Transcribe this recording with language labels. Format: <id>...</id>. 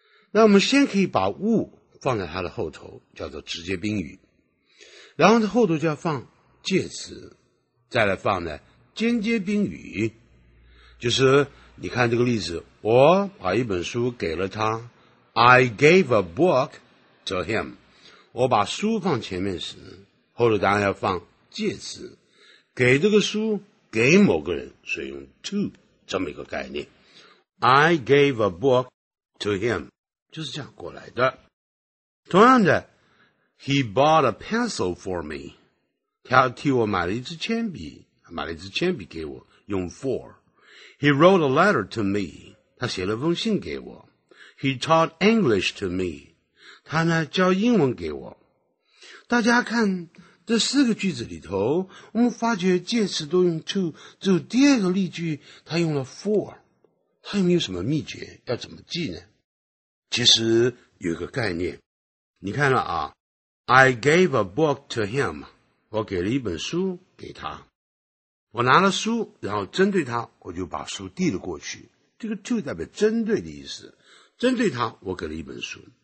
<zh>那我们先可以把物放在它的后头，叫做直接宾语，然后它后头就要放介词，再来放呢间接宾语，就是你看这个例子，我把一本书给了他。</zh> <en>I gave a book to him。</en> <zh>我把书放前面时，后头当然要放介词，给这个书给某个人，所以用 to 这么一个概念。</zh> <en>I gave a book to him</en> <zh>就是这样过来的。同样的，</zh> <en>He bought a pencil for me，</en> <zh>他替我买了一支铅笔，买了一支铅笔给我，用 for。</zh> <en>He wrote a letter to me，</en> <zh>他写了封信给我。</zh> <en>He taught English to me，</en> <zh>他呢教英文给我。大家看这四个句子里头，我们发觉介词都用 to， 只有第二个例句他用了 for， 他有没有什么秘诀要怎么记呢？其实有一个概念，你看了啊，</zh> <en>I gave a book to him，</en> <zh>我给了一本书给他，我拿了书然后针对他我就把书递了过去，这个 to 代表针对的意思，针对他我给了一本书。</zh>